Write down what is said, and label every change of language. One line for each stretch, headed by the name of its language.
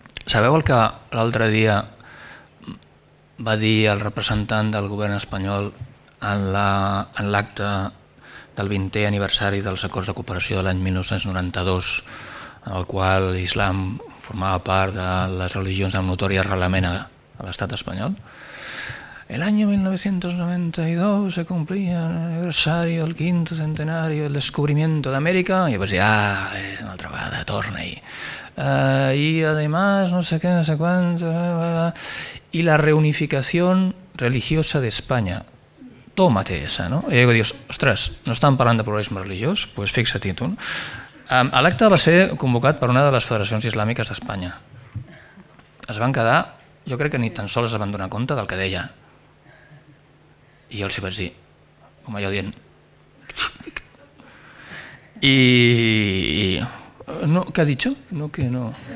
Catalan: Sabeu el que l'altre dia va dir el representant del govern espanyol en l'acte del 20è aniversari dels acords de cooperació de l'any 1992, en el qual l'islam formava part de les religions amb notori arrelament a l'estat espanyol.
Spanish: El año 1992 se cumplía el aniversario, el quinto centenario, el descubrimiento de América. Y pues ya, una otra vez,
Catalan: torna
Spanish: ahí. Y además, no sé qué, no sé cuánto. Y la reunificación religiosa de España. Tómate esa, ¿no? Y digo, Dios, ostras, no están hablando de pluralismo religioso, pues fíjate tú.
Catalan: El acte va ser convocat per una de les federacions islàmiques d'Espanya. Es van quedar, jo crec que ni tan sols es van donar compte del que deia. I jo els vaig dir, com allò dient... I no, què ha dit això? No, que no.